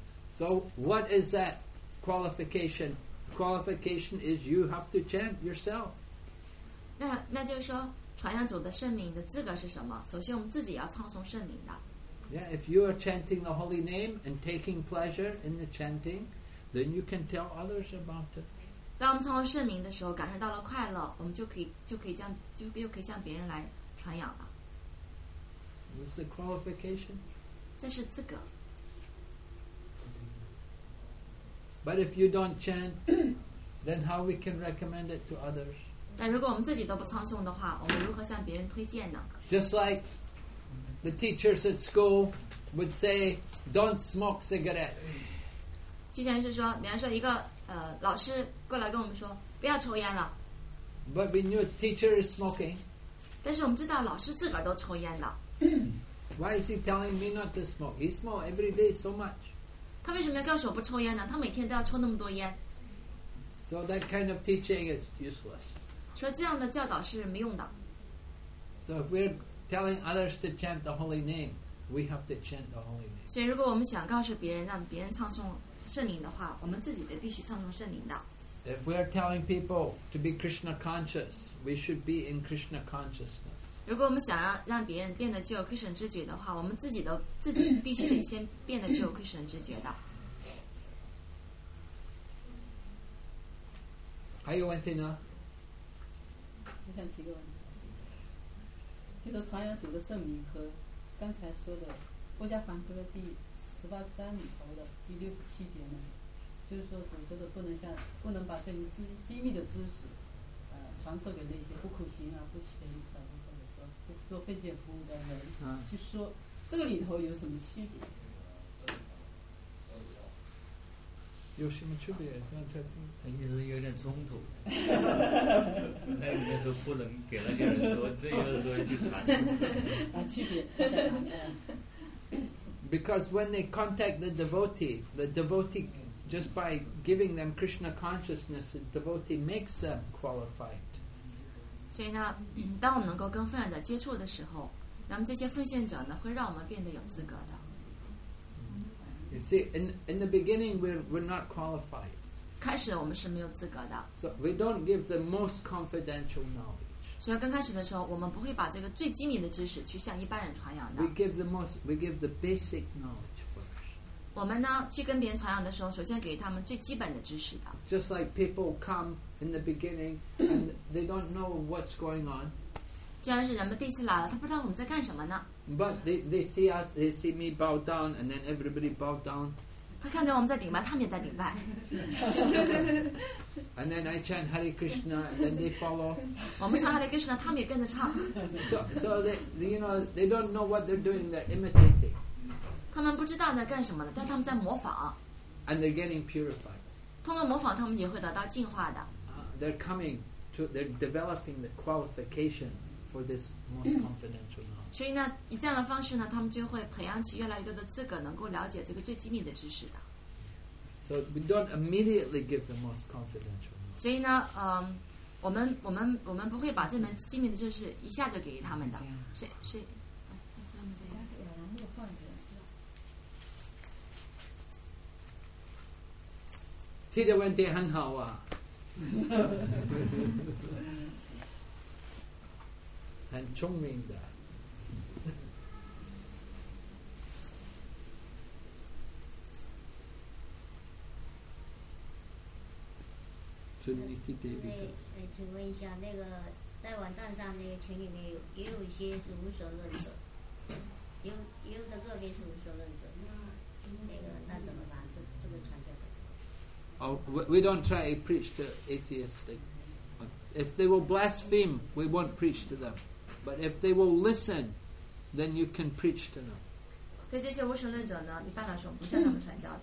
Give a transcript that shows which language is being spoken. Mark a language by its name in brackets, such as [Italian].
[English] So what is that qualification? Qualification is you have to chant yourself. [Chinese] 那就是说传扬主的圣名的资格是什么？首先我们自己要唱诵圣名的。 [English] Yeah, if you are chanting the holy name and taking pleasure in the chanting, then you can tell others about it. [Chinese] 当我们唱诵圣名的时候感受到了快乐，我们就可以向别人来传扬了。 [English] This is a qualification. [Chinese] 这是资格。 [English] But if you don't chant, then how we can recommend it to others? [Chinese] 但如果我们自己都不唱诵的话，我们如何向别人推荐呢？ [English] Just like the teachers at school would say, "Don't smoke cigarettes." [Chinese] 就像是说，比方说一个老师过来跟我们说，不要抽烟了。 [English] But we knew teacher is smoking. [Chinese] 但是我们知道老师自个儿都抽烟了。 [English] Why is he telling me not to smoke? He smokes every day so much. [Chinese] 他为什么要告诉我不抽烟呢？他每天都要抽那么多烟。 [English] So that kind of teaching is useless. [Chinese] 说这样的教导是没用的。 [English] So if we're telling others to chant the holy name, we have to chant the holy name. [Chinese] 所以如果我们想告诉别人，让别人唱诵圣名的话，我们自己得必须唱诵圣名的。 [English] If we're telling people to be Krishna conscious, we should be in Krishna consciousness. [Chinese] 如果我们想让别人变得具有 Krishna 知觉的话，我们自己必须得先变得具有 Krishna 知觉的。还有问题呢？我想提个问题，就是传扬主的圣名和刚才说的《波迦梵歌》第十八章里头的第六十七节呢，就是说主说的不能把这种机密的知识，传授给那些不苦行啊、不虔诚。做奉献服务的人，就说这个里头有什么区别？有什么区别？他意思有点冲突。那里面说不能给那些人说，这又是说去传。啊，区别。 [English] Because when they contact the devotee just by giving them Krishna consciousness, the devotee makes them qualified. [Chinese] 所以呢，当我们能够跟奉献者接触的时候，那么这些奉献者呢，会让我们变得有资格的。 [English] You see, in the beginning, we're not qualified. [Chinese] 开始我们是没有资格的。 [English] So we don't give the most confidential knowledge. [Chinese] 所以刚开始的时候，我们不会把这个最机密的知识去向一般人传扬的。 [English] We give the basic knowledge first. [Chinese] 我们呢，去跟别人传扬的时候，首先给他们最基本的知识的。 [English] Just like people come. In the beginning, and they don't know what's going on. [Chinese] 就像是人们第一次来了，他不知道我们在干什么呢。 [English] But they see us, they see me bow down, and then everybody bow down. [Chinese] 他看见我们在顶拜，他们也在顶拜。 [English] And then I chant Hare Krishna, and then they follow. [Chinese] 我们唱 Hare Krishna, 他们也跟着唱。 [English] So they don't know what they're doing. They're imitating. [Chinese] 他们不知道在干什么呢，但他们在模仿。 [English] And they're getting purified. [Chinese] 通过模仿，他们也会得到净化的。 [English] They're developing the qualification for this most confidential knowledge. [Chinese] 所以呢，以这样的方式呢，他们就会培养起越来越多的资格，能够了解这个最机密的知识的。 [English] So we don't immediately give the most confidential knowledge. [Chinese] 所以呢，我们不会把这门机密的知识一下就给予他们的。是。提的问题很好啊。很聪明的。哎，请问一下，那个在网站上那个群里面有也有一些是无神论者，有的个别是无神论者，那怎么把这个传教给他？ [English] Oh, we don't try to preach to atheistic. If they will blaspheme, we won't preach to them. But if they will listen, then you can preach to them. [Chinese] 对这些无神论者呢，一般来说不向他们传教。